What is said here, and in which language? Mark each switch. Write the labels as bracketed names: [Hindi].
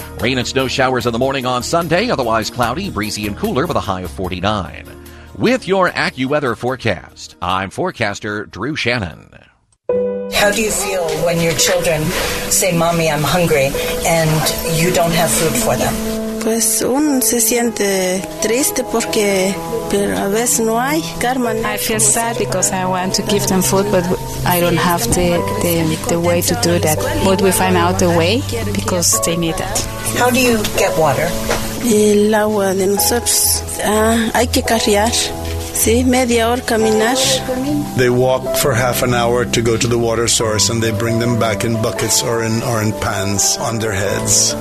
[English] Rain and snow showers in the morning on Sunday, otherwise cloudy, breezy, and cooler with a high of 49. With your AccuWeather forecast, I'm forecaster Drew Shannon. How do you feel when your children say, Mommy, I'm hungry, and you don't have food for them? [Spanish] Pues uno se siente triste porque pero a veces no hay carne. [English] I feel sad because I want to give them food, but I don't have the way to do that. But we find out a way because they need that. How do you get water? [Spanish] El agua de nosotros, hay que cargar. [English] They walk for half an hour to go to the water source, and they bring them back in buckets or in pans on their heads.